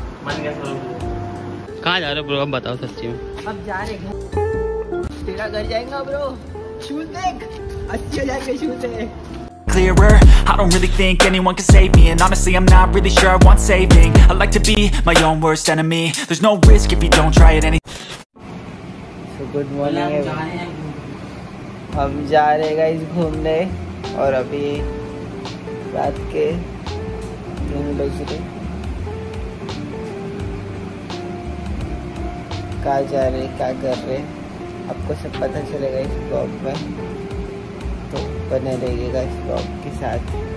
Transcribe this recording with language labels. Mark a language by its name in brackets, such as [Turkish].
[Hindi] कहाँ जा रहे हो ब्रो, अब बताओ सच्ची में। अब जा रहे हैं तेरा घर जाएगा ब्रो, शूट देख अच्छी हो जाएगी शूट है। [English] Clearer. I don't really think anyone can save me, and honestly I'm not really sure I want saving. I like to be my own worst enemy. There's no risk if you don't try it any. So good morning. [Hindi] हम जा रहे हैं guys घूमने, और अभी रात के 9 बज रहे हैं। कहाँ जा रहे हैं, क्या कर रहे हैं, आपको सब पता चलेगा इस ब्लॉग में, तो बने रहिएगा इस ब्लॉग के साथ।